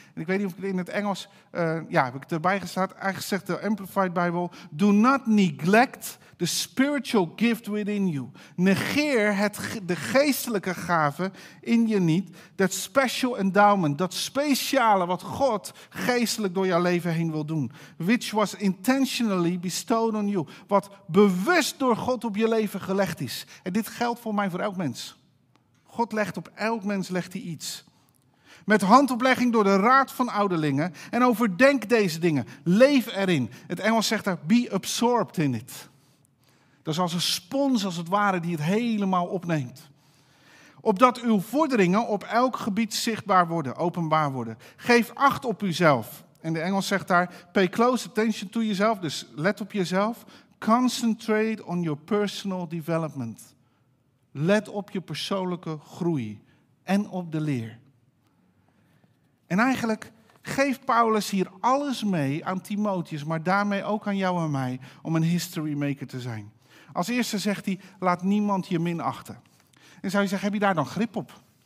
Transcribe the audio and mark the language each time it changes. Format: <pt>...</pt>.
<nl>En ik weet niet of ik het in het Engels, heb ik het erbij gestaan. Eigenlijk zegt de Amplified Bible,</nl> <en>do not neglect the spiritual gift within you.</en> <nl>Negeer de geestelijke gave in je niet.</nl> <en>That special endowment.</en> <nl>Dat speciale wat God geestelijk door jouw leven heen wil doen.</nl> <en>Which was intentionally bestowed on you.</en> <nl>Wat bewust door God op je leven gelegd is. En dit geldt voor mij voor elk mens. God legt op elk mens legt hij iets. Met handoplegging door de raad van ouderlingen. En overdenk deze dingen. Leef erin. Het Engels zegt daar,</nl> <en>be absorbed in it.</en> <nl>Dat is als een spons als het ware die het helemaal opneemt. Opdat uw vorderingen op elk gebied zichtbaar worden, openbaar worden. Geef acht op uzelf. En de Engels zegt daar,</nl> <en>pay close attention to yourself.</en> <nl>Dus let op jezelf.</nl> <en>Concentrate on your personal development.</en> <nl>Let op je persoonlijke groei. En op de leer. En eigenlijk geeft Paulus hier alles mee aan Timotheus, maar daarmee ook aan jou en mij, om een history maker te zijn. Als eerste zegt hij, laat niemand je minachten. En zou je zeggen, heb je daar dan grip op?</nl>